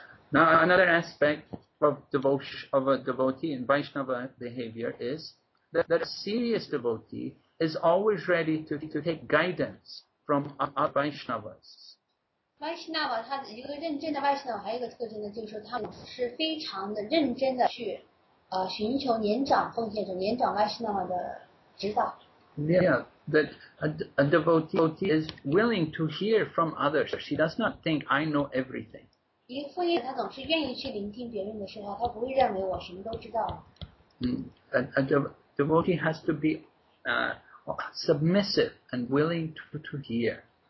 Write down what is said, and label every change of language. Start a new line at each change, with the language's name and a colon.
English: Now another aspect of devotion of a devotee in Vaishnava behavior is that a serious devotee is always ready to take guidance. From our Vaishnavas.
Chinese: Vaishnava, 他一个认真的 Vaishnava, 还有一个特征呢，就是说他是非常的认真的去，寻求年长奉献者、年长 Vaishnava 的指导。
English: Yeah, that a devotee is willing to hear from others. She does not think I know everything.
Chinese: 一个奉献者，他总是愿意去聆听别人的说话，他不会认为我什么都知道。
English: A devotee has to be, submissive and willing to hear.